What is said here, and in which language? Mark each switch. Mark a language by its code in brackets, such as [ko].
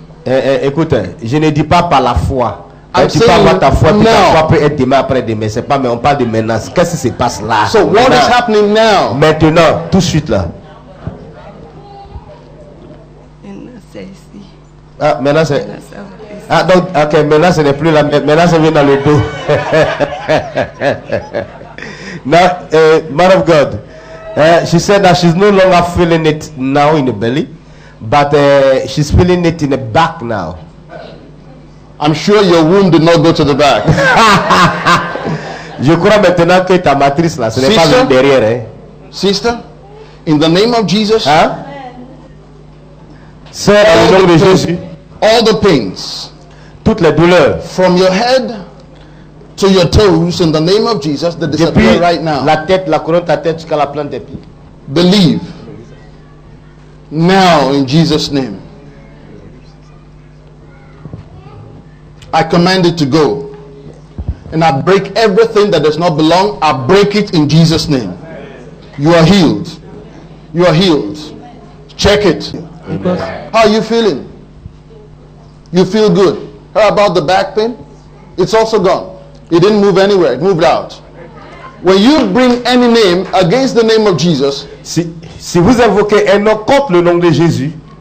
[fr] Écoute, je ne dis pas par la foi. Tu parles par ta foi, puis ta foi peut être demain, après demain. C'est pas, mais on parle de maintenant. Qu'est-ce qui se passe là? [en] So what [fr] maintenant, [en] is happening now? [fr] Maintenant, tout de suite là. Maintenant c'est ici. Ah, maintenant c'est. Maintenant, ah donc, ok, maintenant ce n'est plus là. Maintenant c'est venu dans le dos. [en] Now, man of God, she said that she's no longer feeling it now in the belly, but she's feeling it in the back now. I'm sure your womb did not go to the back. [fr] Je crois maintenant que ta matrice là, ce n'est pas derrière. [en] Sister, in the name of Jesus, hein? Sir, all, the pain, Jésus, all the pains, [fr] toutes les douleurs, [en] from your head, so your toes, in the name of Jesus, they disappear right now. [fr] La tête, la couronne, ta tête jusqu'à la plante des pieds. [en] Believe. Now, in Jesus' name. I command it to go. And I break everything that does not belong. I break it in Jesus' name. You are healed. You are healed. Check it. Amen. How are you feeling? You feel good. How about the back pain? It's also gone. It didn't move anywhere. It moved out. When you bring any name against the name of Jesus, [fr] si vous invoquez un nom contre le nom de Jésus,